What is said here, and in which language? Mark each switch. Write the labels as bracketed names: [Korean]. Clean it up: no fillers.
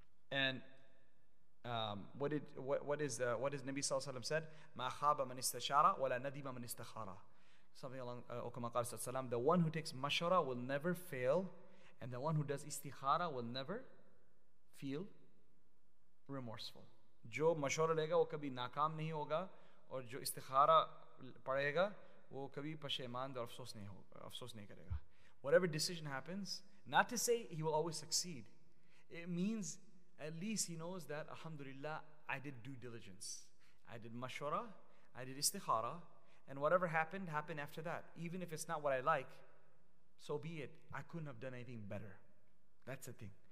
[English] And what is Nabi sallallahu alaihi wasallam said? [Arabic] Ma khaba man istashara wa la nadima man istakhara. [English] Something along kama qala sallallahu alaihi wasallam, the one who takes mashura will never fail, and the one who does istikhara will never feel remorseful. [Urdu] جو مشورہ لے گا وہ کبھی ناکام نہیں ہوگا، اور جو استخارہ پڑھے گا وہ کبھی پشیمان اور افسوس نہیں کرے گا۔ [English] Whatever decision happens, not to say he will always succeed. It means at least he knows that, alhamdulillah, I did due diligence. I did mashura, I did istikhara, and whatever happened after that. Even if it's not what I like, so be it. I couldn't have done anything better. That's the thing.